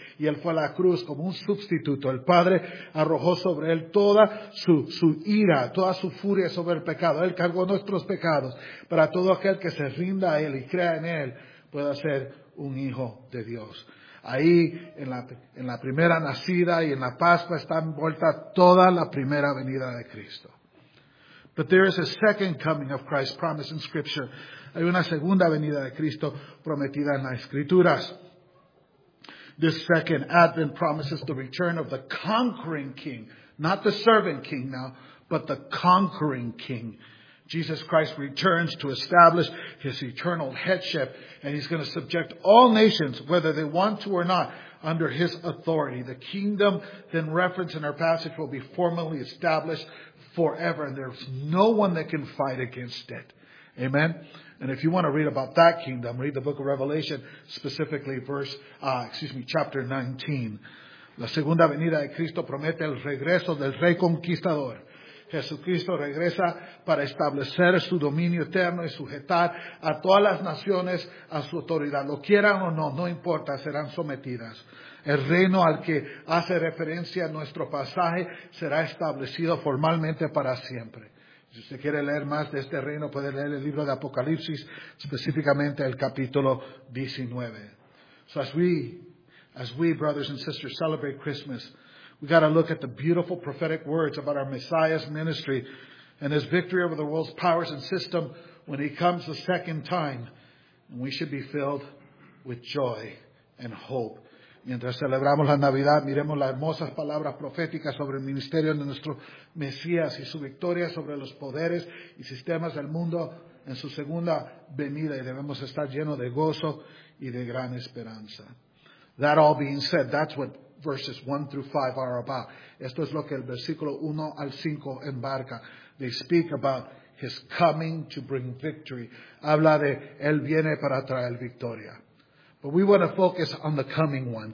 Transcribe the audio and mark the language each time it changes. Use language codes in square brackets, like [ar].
[es] Y Él fue a la cruz como un sustituto. El Padre arrojó sobre Él toda su ira, toda su furia sobre el pecado. Él cargó nuestros pecados para todo aquel que se rinda a Él y crea en Él pueda ser un hijo de Dios. Ahí, en la primera nacida y en la Pascua, está envuelta toda la primera venida de Cristo. [en] But there is a second coming of Christ promised in Scripture. [es] Hay una segunda venida de Cristo prometida en las Escrituras. [en] This second advent promises the return of the conquering king. Not the servant king now, but the conquering king. Jesus Christ returns to establish his eternal headship, and he's going to subject all nations, whether they want to or not, under his authority. The kingdom then referenced in our passage will be formally established forever, and there's no one that can fight against it. Amen? And if you want to read about that kingdom, read the book of Revelation, specifically chapter 19. [es] La segunda venida de Cristo promete el regreso del Rey Conquistador. Jesucristo regresa para establecer su dominio eterno y sujetar a todas las naciones a su autoridad. Lo quieran o no, no importa, serán sometidas. El reino al que hace referencia nuestro pasaje será establecido formalmente para siempre. Si usted quiere leer más de este reino, puede leer el libro de Apocalipsis, específicamente el capítulo 19. [en] So as we, brothers and sisters, celebrate Christmas, we got to look at the beautiful prophetic words about our Messiah's ministry and his victory over the world's powers and system when he comes the second time. And we should be filled with joy and hope. [es] Mientras celebramos la Navidad, miremos las hermosas palabras proféticas sobre el ministerio de nuestro Mesías y su victoria sobre los poderes y sistemas del mundo en su segunda venida, y debemos estar llenos de gozo y de gran esperanza. [en] That all being said, that's what verses 1 through 5 are about. [es] Esto es lo que el versículo 1 al 5 embarca. [en] They speak about his coming to bring victory. [es] Habla de él viene para traer victoria. [en] But we want to focus on the coming one.